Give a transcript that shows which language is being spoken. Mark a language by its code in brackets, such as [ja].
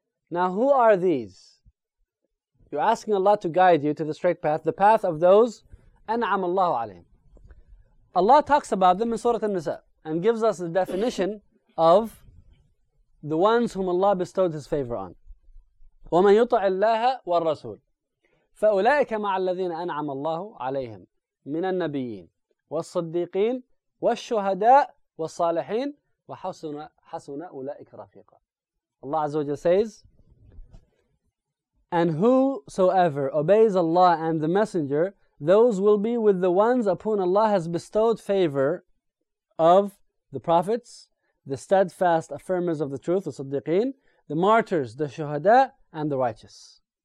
[en] Now who are these? You're asking Allah to guide you to the straight path, the path of those [ar] أَنْعَمْ اللَّهُ عَلَيْهِمْ. [en] Allah talks about them in Surah An-Nisa and gives us the definition of the ones whom Allah bestowed His favor on. [ar] وَمَنْ يُطَعِ اللَّهَ وَالرَّسُولِ فَأُولَٰئِكَ مَعَ الَّذِينَ أَنْعَمَ اللَّهُ عَلَيْهِمْ مِنَ النَّبِيِّينَ والصديقين والشهداء والصالحين وحسن أولئك رفيقا. [en] Allah Azza wa Jalla says, and whosoever obeys Allah and the Messenger, those will be with the ones upon Allah has bestowed favor of the prophets, the steadfast affirmers of the truth, the صديقين, the martyrs, the shuhada, and the righteous.